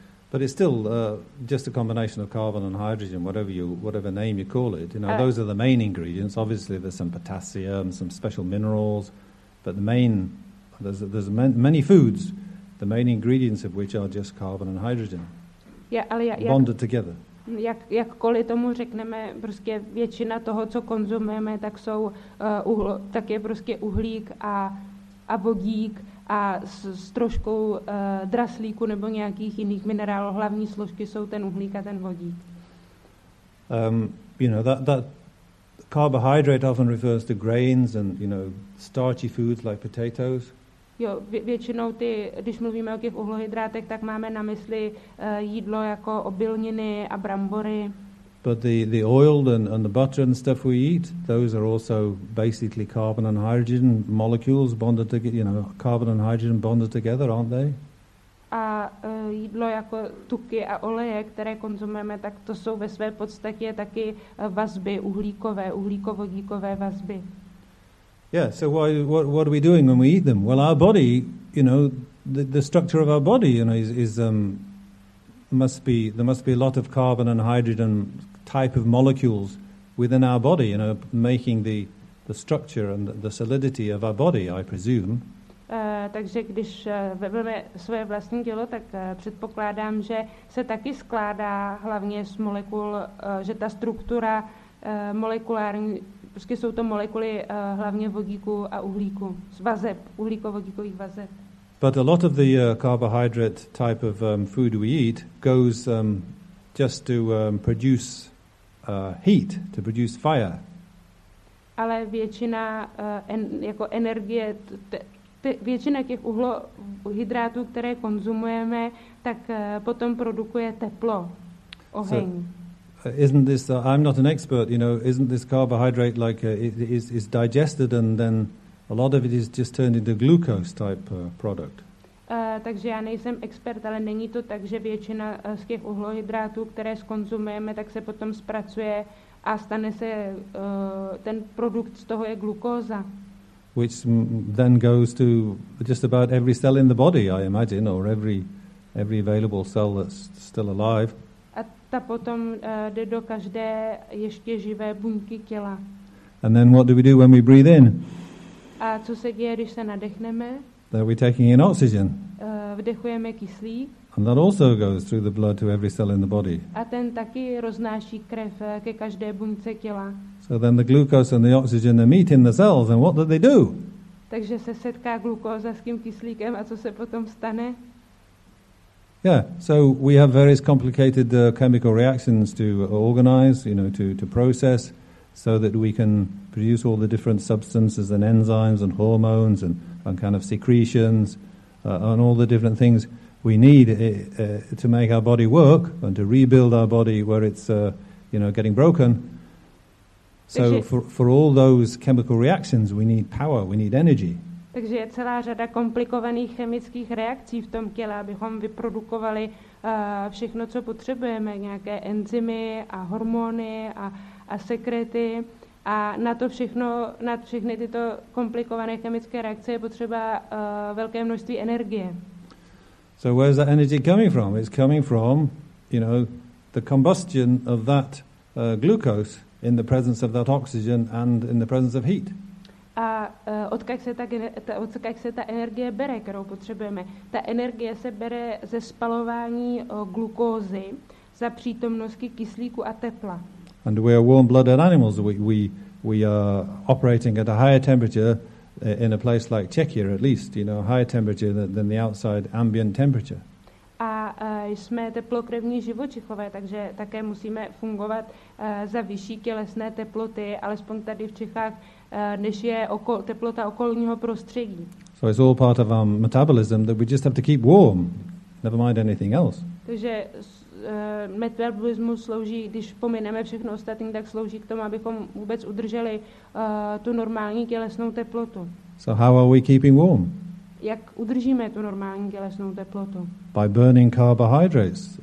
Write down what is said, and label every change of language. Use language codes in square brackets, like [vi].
[en] But it's still just a combination of carbon and hydrogen, whatever name you call it. You know, those are the main ingredients. Obviously, there's some potassium, some special minerals, but there's many foods. The main ingredients of which are just carbon and hydrogen. Yeah, ale bonded together. [cs] Jakkoliv tomu řekneme, prostě většina toho, co konzumujeme, tak jsou tak je prostě uhlík a vodík a s troškou draslíku nebo nějakých jiných minerálů. Hlavní složky jsou ten uhlík a ten vodík. [en] You know, that carbohydrate often refers to grains and, you know, starchy foods like potatoes. [cs] Jo, většinou ty, když mluvíme o těch uhlohydrátech, tak máme na mysli jídlo jako obilniny a brambory. [en] But the oil and the butter and stuff we eat, those are also basically carbon and hydrogen molecules bonded together, you know, carbon and hydrogen bonded together, aren't they? [cs] A jídlo jako tuky a oleje, které konzumujeme, tak to jsou ve své podstatě taky vazby uhlíkovodíkové vazby. [en] Yeah, so why, what are we doing when we eat them? Well, our body, you know, the structure of our body, you know, must be a lot of carbon and hydrogen type of molecules within our body, you know, making the structure and the solidity of our body, I presume. [cs] Takže když vezmeme svoje vlastní tělo, tak předpokládám, že se taky skládá hlavně z molekul, že ta struktura molekulární, prostě jsou to molekuly hlavně vodíku a uhlíku, z vazeb, uhlíkovodíkových vazeb. [en] But a lot of the carbohydrate type of food we eat goes just to produce heat, to produce fire. [cs] Ale většina jako energie, většina těch uhlohydrátů, které konzumujeme, tak potom produkuje teplo, oheň. [en] Isn't this? I'm not an expert, you know. Isn't this carbohydrate like is digested and then a lot of it is just turned into glucose type product? [cs] Takže já nejsem expert, ale není to tak, že většina z těch uhlohydrátů, které skonzumujeme, tak se potom zpracuje a stane se ten produkt z toho je glukóza. [en] Which then goes to just about every cell in the body, I imagine, or every available cell that's still alive. [cs] A potom jde do každé ještě živé buňky těla. [en] And then what do we do when we breathe in? [cs] A co se děje, když se nadechneme? [en] That we're taking in oxygen. [cs] Vdechujeme kyslík. [en] And that also goes through the blood to every cell in the body. [cs] A ten taky roznáší krev ke každé buňce těla. [en] So then the glucose and the oxygen they meet in the cells and what do they do? [cs] Takže se setká glukóza s tím kyslíkem a co se potom stane? [en] Yeah, so we have various complicated chemical reactions to organize, you know, to process, so that we can produce all the different substances and enzymes and hormones and kind of secretions and all the different things we need to make our body work and to rebuild our body where it's, you know, getting broken. So for all those chemical reactions, we need power, we need energy. [cs] Takže je celá řada komplikovaných chemických reakcí v tom těle, abychom vyprodukovali všechno, co potřebujeme, nějaké enzymy a hormony a sekrety. A na to všechno, na všechny tyto komplikované chemické reakce je potřeba velké množství energie. [en] So where is that energy coming from? It's coming from, you know, the combustion of that glucose in the presence of that oxygen and in the presence of heat. [cs] A odkud se ta energie bere, kterou potřebujeme? Ta energie se bere ze spalování glukózy za přítomnosti kyslíku a tepla. [en] And we are warm-blooded animals. We are operating at a higher temperature in a place like Czechia, at least, you know, higher temperature than the outside ambient temperature. [cs] A jsme teplokrevní živočichové, takže také musíme fungovat za vyšší tělesné teploty, alespoň tady v Čechách, než je teplota okolního prostředí. [en] So it's all part of our metabolism that we just have to keep warm, never mind anything else. [cs] Takže metabolismus slouží, když pomineme všechno ostatní, tak slouží k tomu, abychom vůbec udrželi tu normální tělesnou teplotu. [en] So how are we keeping warm? [cs] Jak udržíme tu normální tělesnou teplotu? [en] By burning carbohydrates.